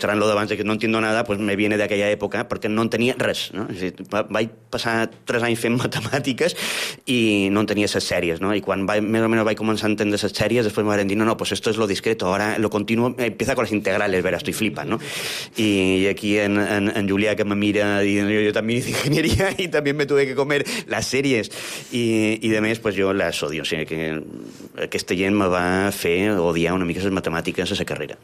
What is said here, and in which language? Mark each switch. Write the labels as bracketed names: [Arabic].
[Catalan] Xerrant lo d'abans, [Spanish] que no entiendo nada, pues me viene [Catalan] d'aquella època, perquè no entenia res, no? És a dir, vaig passar 3 anys fent matemàtiques i no entenia ses sèries, no? I quan més o menys vaig començar a entendre ses sèries, després me van dir, [Spanish] no, pues esto es lo discreto, ahora lo continuo, empieza con las integrales, verás, estoy flipant, [Catalan] no? I aquí en Julià, que me mira, dient, [Spanish] yo también hice ingeniería y también me tuve que comer la sèrie. [Catalan] I de més, pues jo les odio. O sigui, que aquesta gent me va fer odiar una mica les matemàtiques a la carrera.